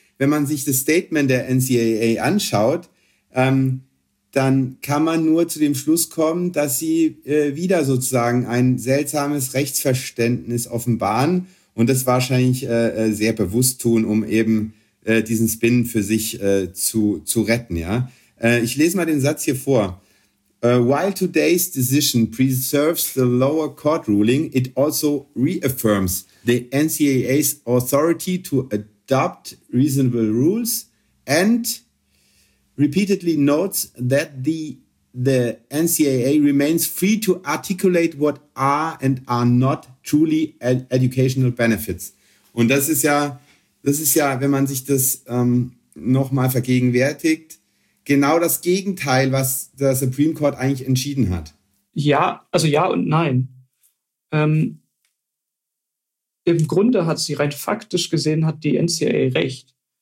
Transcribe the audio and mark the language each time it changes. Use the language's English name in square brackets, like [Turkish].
[German] Wenn man sich das Statement der NCAA anschaut, dann kann man nur zu dem Schluss kommen, dass sie wieder sozusagen ein seltsames Rechtsverständnis offenbaren und das wahrscheinlich sehr bewusst tun, um eben diesen Spin für sich zu retten. Ja, ich lese mal den Satz hier vor. [English] While today's decision preserves the lower court ruling, it also reaffirms the NCAA's authority to adopt reasonable rules and repeatedly notes that the NCAA remains free to articulate what are and are not truly educational benefits. [German] Und das ist ja, wenn man sich das nochmal vergegenwärtigt, genau das Gegenteil, was der Supreme Court eigentlich entschieden hat. Ja, also ja und nein. Im Grunde hat sie rein faktisch gesehen, hat die NCAA recht.